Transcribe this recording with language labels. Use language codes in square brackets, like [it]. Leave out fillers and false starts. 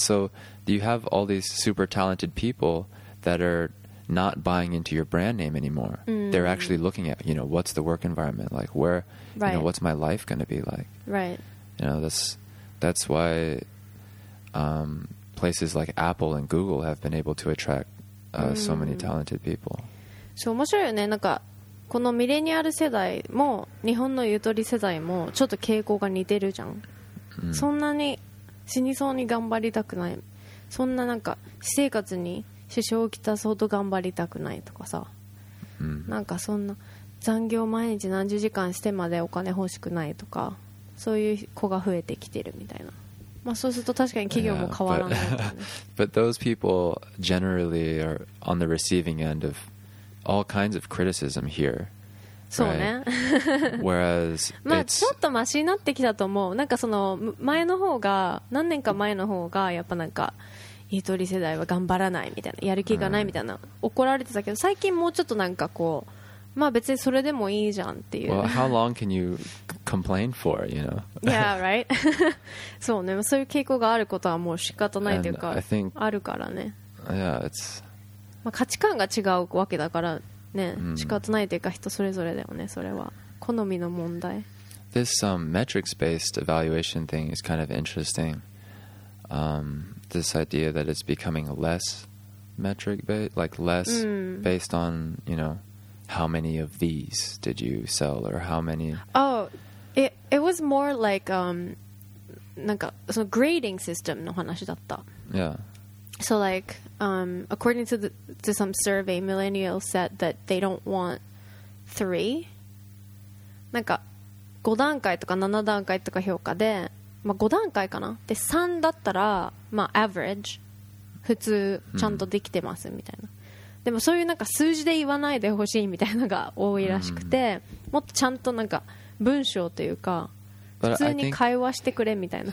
[en] So you have all these super talented people that are not buying into your brand name anymore. Mm. They're actually looking at, you know, what's the work environment like? Where, right. you know, what's my life going to be like? Right. You know, that's why places like Apple and Google have been able to attract so many talented people. [ja] So 面白いよね。なんかこのミレニアル世代も日本のゆとり世代もちょっと傾向が似てるじゃん。そんなに死にそうに頑張りたくない。そんななんか私生活に支障をきたそうと頑張りたくないとかさ。なんかそんな残業毎日何十時間してまでお金欲しくないとか、そういう子が増えてきてるみたいな。まあそうすると確かに企業も変わらない。 [en] But those people generally are on the receiving end of all kinds of criticism here. [ja] そうね。 [en] Whereas [ja] まあちょっとマシになってきたと思う。なんかその前の方が、何年か前の方がやっぱなんかゆとり世代は頑張らないみたいな、やる気がないみたいな怒られてたけど、最近もうちょっとなんかこう、まあ別にそれでもいいじゃんっていう。 [en] Well, how long can you complain for, you know? Yeah, right. [ja] そうね、そういう傾向があることはもう仕方ないというか、あるからね。 [en] Yeah, it's [ja] まあ価値観が違うわけだからね、仕方ないというか人それぞれだよね、それは好みの問題。 [en] This metrics-based evaluation thing is kind of interesting. This idea that it's becoming less metric-based, like less based on, you know, how many of these did you sell or how many? Oh, it was more like [ja] なんかその [en] grading system [ja] の話だった。 [en] Yeah. So like. According to to some survey, millennials said that they don't want 3. [ja] なんか5段階とか7段階とか評価で、まあ、5段階かな。で3だったら、まあ、average 普通ちゃんとできてますみたいな。でもそういうなんか数字で言わないでほしいみたいなのが多いらしくて、もっとちゃんとなんか文章というか普通に会話してくれみたいな。